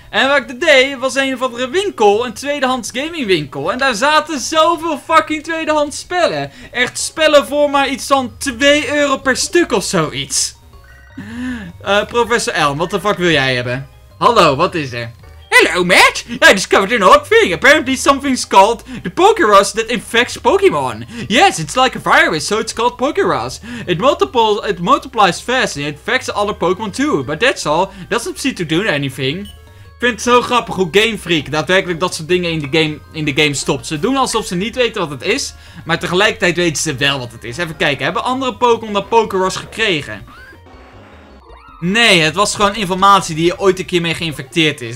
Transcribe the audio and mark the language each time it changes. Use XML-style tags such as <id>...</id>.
<nl>En wat ik deed, was een of andere winkel. Een tweedehands gamingwinkel. En daar zaten zoveel fucking tweedehands spellen. Echt spellen voor maar iets van 2 euro per stuk of zoiets. Professor Elm, wat de fuck wil jij hebben? Hallo, wat is er?</nl> <en>Hello, Matt! I discovered an odd thing. Apparently something's called the Pokeross that infects Pokemon. Yes, it's like a virus, so it's called Pokeross. It multiplies fast and it infects other Pokemon too. But that's all. Doesn't seem to do anything.</en> <nl>Ik vind het zo grappig hoe Game Freak daadwerkelijk dat soort dingen in de game stopt. Ze doen alsof ze niet weten wat het is, maar tegelijkertijd weten ze wel wat het is. Even kijken, hebben andere Pokemon dat Pokeross gekregen? Nee, het was gewoon informatie die je ooit een keer mee geïnfecteerd is.</nl>